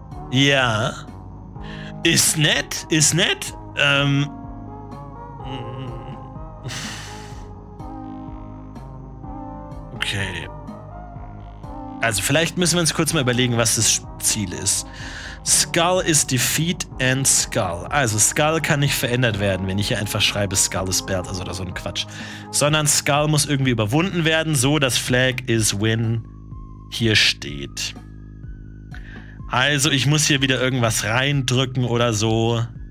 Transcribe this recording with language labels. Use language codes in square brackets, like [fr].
[de] Ja. Ist nett, ist nett. Okay. Also vielleicht müssen wir uns kurz mal überlegen, was das Ziel ist. [en] Skull is defeat and skull. [de] Also Skull kann nicht verändert werden, wenn ich hier einfach schreibe, [en] Skull is bad, [de] also oder so ein Quatsch. Sondern Skull muss irgendwie überwunden werden, so dass [en] Flag is win [de] hier steht. Also ich muss hier wieder irgendwas reindrücken oder so.